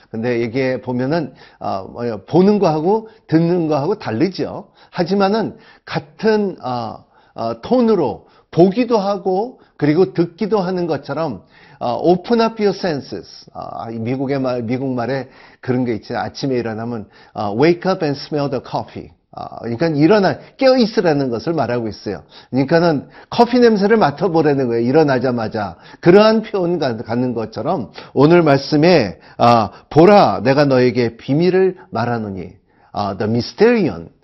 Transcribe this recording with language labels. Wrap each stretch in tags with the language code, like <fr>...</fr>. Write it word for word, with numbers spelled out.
<ko>근데 이게 보면은 보는 거하고 듣는 거하고 다르죠. 하지만은 같은 톤으로 보기도 하고 그리고 듣기도 하는 것처럼 어,</ko> <en>open up your senses.</en> <ko>어, 미국의 말, 미국 말에 그런 게 있지. 아침에 일어나면 어,</ko> <en>wake up and smell the coffee.</en> <ko>어, 그러니까 일어나 깨어 있으라는 것을 말하고 있어요. 그러니까는 커피 냄새를 맡아보라는 거예요. 일어나자마자 그러한 표현 갖는 것처럼 오늘 말씀에 어, 보라, 내가 너에게 비밀을 말하노니 어, the mysterion.</ko>